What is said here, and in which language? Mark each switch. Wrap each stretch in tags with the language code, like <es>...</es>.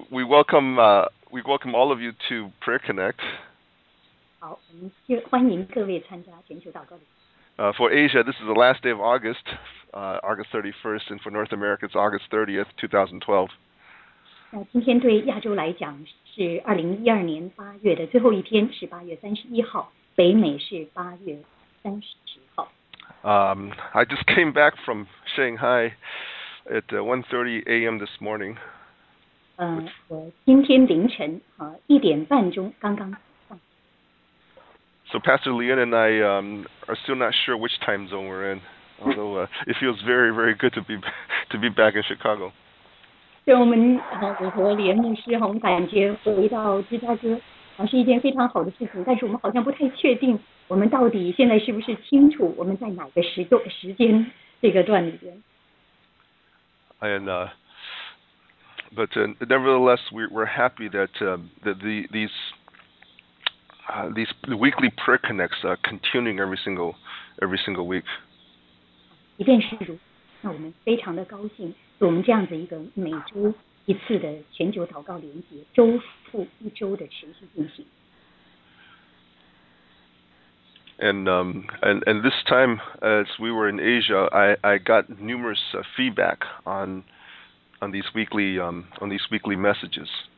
<en>We welcome all of you to Prayer Connect. For Asia, this is the last day of August, August 31st, and for North America, it's August 30th, 2012.</en> <zh>今天对亚洲来讲是 2012 年 8月的最后一天, 是8月31号, 北美是8月30号.</zh> <en>I just came back from Shanghai at 1:30 a.m. this morning.</en> <zh>我今天凌晨, 1点半钟刚刚上.</zh> <en>So Pastor Lian and I are still not sure which time zone we're in, although it feels very, very good to be back in Chicago.</en> <zh>对我们, 我和连牧师, 我们感觉回到芝加哥, 是一件非常好的事情, 但是我们好像不太确定, 我们到底现在是不是清楚, 我们在哪个时间, 这个段里边。</zh> <en>And, But nevertheless, we're happy that these weekly prayer connects are continuing every single week.</en> <zh>一定是如此，那我们非常的高兴，我们这样子一个每周一次的全球祷告连结，周复一周的持续进行。</zh> <en>And this time, as we were in Asia, I got numerous feedback on these weekly messages.</en>